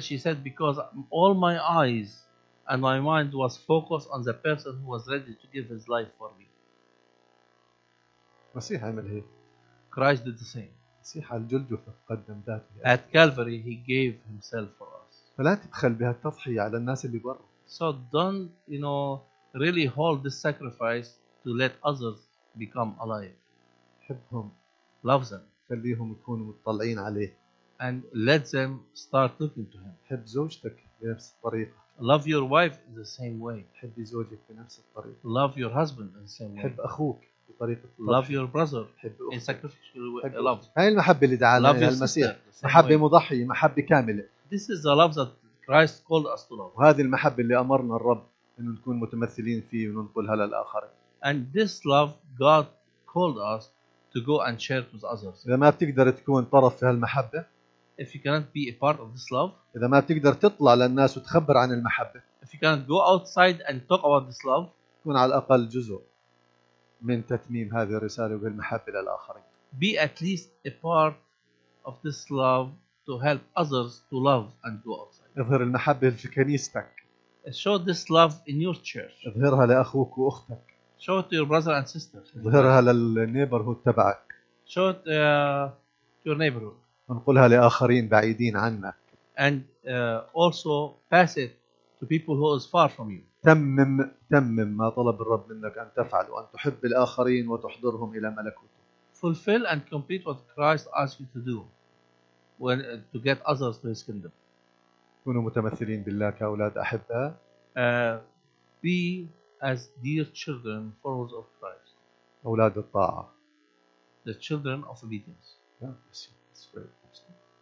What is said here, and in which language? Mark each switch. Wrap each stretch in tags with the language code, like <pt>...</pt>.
<en>She said, because all my eyes and my mind was focused on the person who was ready to give his life for me.</en> <ar>مسيح عمل هيك.</ar> <en>Christ did the same.</en> <ar>مسيح على الجلجثة قدم ذاته.</ar> <en>At Calvary he gave himself for us.</en> <ar>فلا تبخل بهالتضحية على الناس اللي برا.</ar> <en>So don't you know really hold this sacrifice to let others become alive.</en> <ar>حبهم.</ar> <en>Love them.</en> <ar>خليهم يكونوا مطلعين عليه.</ar> <en>And let them start looking to him.</en> <ar>حب زوجتك بنفس الطريقة.</ar> <en>Love your wife in the same way.</en> <ar>حب زوجك بنفس الطريقة.</ar> <en>Love your husband in the same way.</en> <ar>حب أخوك بطريقة.</ar> <en>Love your brother in sacrificial love.</en> <ar>هاي المحبة اللي دعانا إليها المسيح. محبة مضحية، محبة كاملة.</ar> <en>This is the love that Christ called us to love.</en> <ar>وهذه المحبة اللي أمرنا الرب إنه نكون متمثلين فيه وننقلها للآخرين.</ar> <en>And this love God called us to go and share with others.</en> <ar>إذا ما بتقدر تكون طرف في هالمحبة.</ar> <en>If you cannot be a part of this love,</en> <ar>إذا ما بتقدر تطلع للناس وتخبر عن المحبة.</ar> <en>If you cannot go outside and talk about this love,</en> <ar>كن على الأقل جزء من تتميم هذه الرسالة وبالمحبة للآخرين.</ar> <en>Be at least a part of this love to help others to love and go outside.</en> <ar>اظهر المحبة في كنيستك.</ar> <en>Show this love in your church.</en> <ar>اظهرها لأخوك وأختك.</ar> <en>Show it to your brother and sister.</en> <ar>اظهرها للنيبرهود تبعك.</ar> <en>Show it to your neighborhood.</en> <ar>ونقولها لآخرين بعيدين عنا.</ar> <en>And also pass it to people who is far from you.</en> <ar>تمم ما طلب الرب منك أن تفعل وأن تحب الآخرين وتحضرهم إلى ملكوته.</ar> <en>Fulfill and complete what Christ asked you to do when to get others to His kingdom.</en> <ar>كونوا متمثلين بالله كأولاد أحبة.</ar> <en>Be as dear children, followers of Christ.</en> <ar>أولاد الطاعة.</ar> <en>The children of obedience. Yeah, that's very interesting.</en>